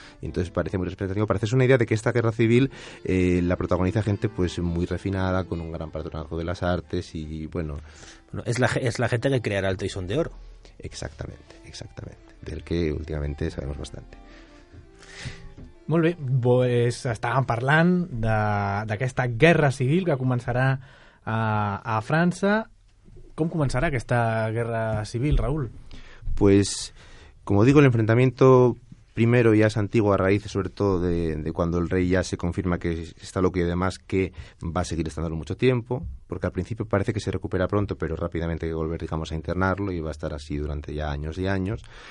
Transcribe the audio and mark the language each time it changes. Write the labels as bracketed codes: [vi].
[es] Y entonces parece muy representativo, parece una idea de que esta guerra civil la protagoniza gente pues muy refinada, con un gran patronazgo de las artes y bueno... Bueno, es la gente que creará el Toisón de Oro. Exactamente, exactamente, del que últimamente sabemos bastante. [ca] Molt bé, pues estàvem parlant d'aquesta guerra civil que començarà a França. Com començarà aquesta guerra civil, Raúl? [es] Pues, como digo, el enfrentamiento primero ya es antiguo a raíz, sobre todo, de cuando el rey ya se confirma que está loco y además que va a seguir estándolo mucho tiempo, porque al principio parece que se recupera pronto, pero rápidamente hay que volver, digamos, a internarlo y va a estar así durante ya años y años.